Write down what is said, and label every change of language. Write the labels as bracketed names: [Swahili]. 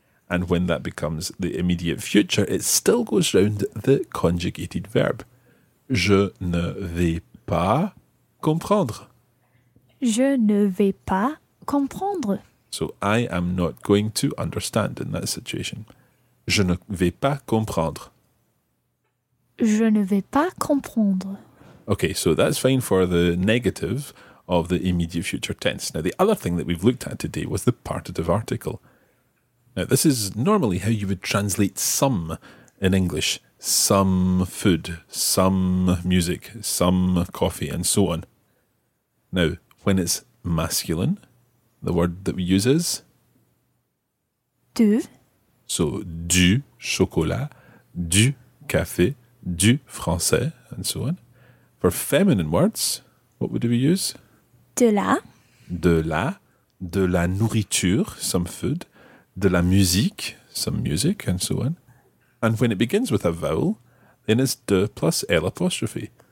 [English] And when that becomes the immediate future, it still goes round the conjugated verb. [French] Je ne vais pas comprendre. Je ne vais pas comprendre. [English] So, I am not going to understand in that situation. [French] Je ne vais pas comprendre. Je ne vais pas comprendre. [English] Okay, so that's fine for the negative of the immediate future tense. Now, the other thing that we've looked at today was the partitive article. Now, this is normally how you would translate some in English. Some food, some music, some coffee, and so on. Now, when it's masculine, the word that we use is? [French] De. So, du chocolat, du café, du français, and so on. [English] For feminine words, what would we use? [French] De la. De la. De la nourriture, [English] some food. [French] De la musique, [English] some music, and so on. And when it begins with a vowel, then it's de plus L apostrophe.